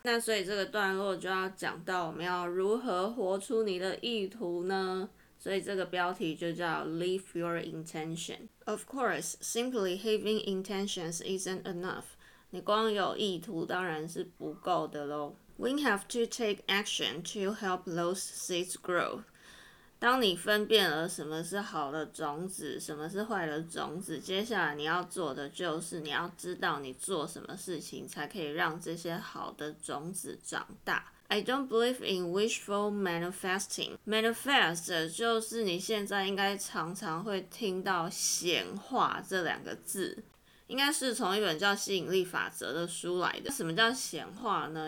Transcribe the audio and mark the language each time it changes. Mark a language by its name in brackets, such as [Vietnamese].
[Chinese] 那所以这个段落就要讲到我们要如何活出你的意图呢？所以这个标题就叫 [English] Live Your Intention。 Of course, simply having intentions isn't enough. [Chinese] 你光有意图当然是不够的咯。 [English] We have to take action to help those seeds grow. [Chinese] 当你分辨了什么是好的种子，什么是坏的种子，接下来你要做的就是你要知道你做什么事情才可以让这些好的种子长大。 [English] I don't believe in wishful manifesting. [Chinese] Manifest 就是你现在应该常常会听到显化这两个字，应该是从一本叫吸引力法则的书来的。什么叫显化呢？